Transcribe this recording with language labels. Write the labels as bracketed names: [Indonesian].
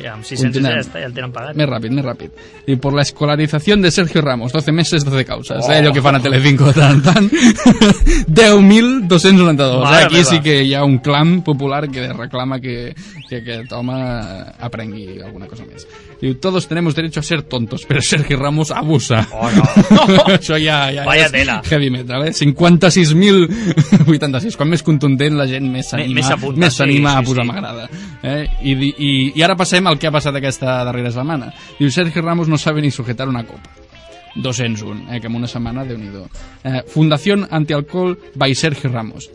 [Catalan] Ja, amb 616 ja el tenen pagat. Més ràpid. I per la escolarització de Sergi Ramos, [Spanish] 12 meses, 12 causes. [Catalan] Oh. Allò que fan a Telecinco de tant en tant. 10.292. Mare aquí meva. Sí que hi ha un clam popular que reclama que aquest home aprengui alguna cosa més. [Spanish] Diu, todos tenemos derecho a ser tontos, pero Sergi Ramos abusa. Oh, no. [Catalan] Això ja [Spanish] vaya tela. [Catalan] Heavy metal, eh? 56.086. Quan més contundent content, la gent més s'anima, més s'anima a posar m'agrada. I ara passem al que ha passat aquesta darrera setmana. [Spanish] Diu: Sergio Ramos no sabe ni sujetar una copa. [Catalan] 201, que en una setmana, déu-n'hi-do. Fundació Antialcohol by Sergio Ramos.